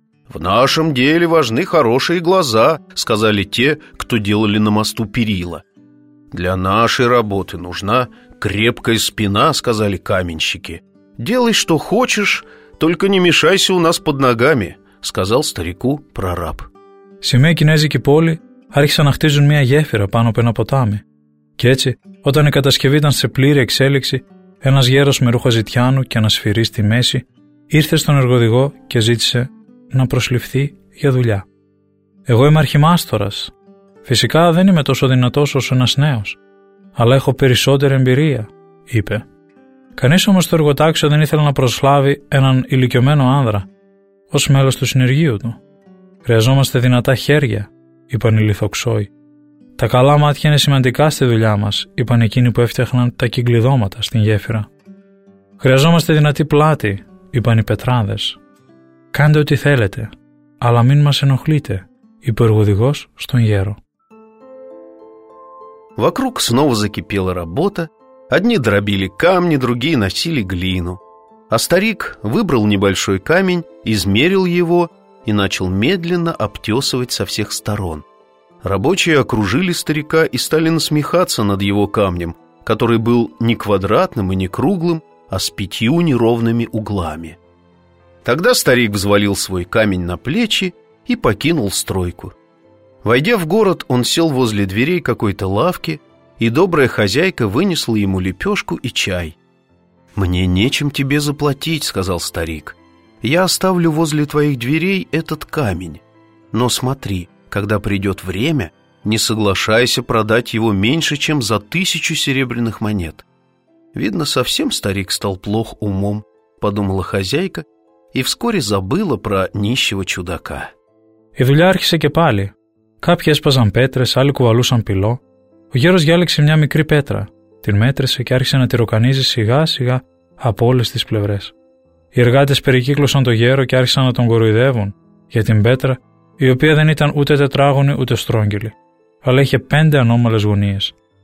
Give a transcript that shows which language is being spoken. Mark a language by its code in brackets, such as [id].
[ru] «В нашем деле важны хорошие глаза», — сказали те, кто делали на мосту перила. «Для нашей работы нужна крепкая спина», — сказали каменщики. «Делай, что хочешь, только не мешайся у нас под ногами», — сказал старику прораб. [el] Σε μια κινέζικη πόλη άρχισαν να χτίζουν μια γέφυρα πάνω από ένα ποτάμι. Και έτσι, όταν η κατασκευή ήταν σε πλήρη εξέλιξη, ένας γέρος με ρούχα ζητιάνου και ένα σφυρί στη μέση ήρθε στον εργοδηγό και ζήτησε να προσληφθεί για δουλειά. «Εγώ είμαι αρχιμάστορας. Φυσικά δεν είμαι τόσο δυνατός όσο ένας νέος, αλλά έχω περισσότερη εμπειρία», είπε. Κανείς όμως στο εργοτάξιο δεν ήθελε να προσλάβει έναν ηλικιωμένο άνδρα ως μέλος του συνεργείου του. «Χρειαζόμαστε δυνατά χέρια», είπαν οι λιθοξόοι. «Τα καλά μάτια είναι σημαντικά στη δουλειά μας», είπαν εκείνοι που έφτιαχναν τα κυκλειδώματα στην γέφυρα. «Χρειαζόμαστε δυνατή πλάτη», είπαν οι πετράδες. «Κάντε ό,τι θέλετε, αλλά μην μας ενοχλείτε», είπε ο εργοδηγός στον γέρο. [ru] Вокруг снова закипела работа. Одни дробили камни, другие носили глину. А старик выбрал небольшой камень, измерил его и начал медленно обтесывать со всех сторон. Рабочие окружили старика и стали насмехаться над его камнем, который был не квадратным и не круглым, а с пятью неровными углами. Тогда старик взвалил свой камень на плечи и покинул стройку. Войдя в город, он сел возле дверей какой-то лавки, и добрая хозяйка вынесла ему лепешку и чай. «Мне нечем тебе заплатить», — сказал старик. «Я оставлю возле твоих дверей этот камень. Но смотри, когда придет время, не соглашайся продать его меньше, чем за 1000 серебряных монет». «Видно, совсем старик стал плох умом», — подумала хозяйка, и вскоре забыла про нищего чудака. «И дуля архиса кепали. [el] Κάποιοι έσπαζαν πέτρες, άλλοι κουβαλούσαν πυλό. Ο γέρος διάλεξε μια μικρή πέτρα, την μέτρησε και άρχισε να τη ροκανίζει σιγά-σιγά από όλες τις πλευρές. Οι εργάτες περικύκλωσαν το γέρο και άρχισαν να τον κοροϊδεύουν για την πέτρα, η οποία δεν ήταν ούτε τετράγωνη ούτε στρόγγυλη, αλλά είχε 5 ανώμαλες γωνίες.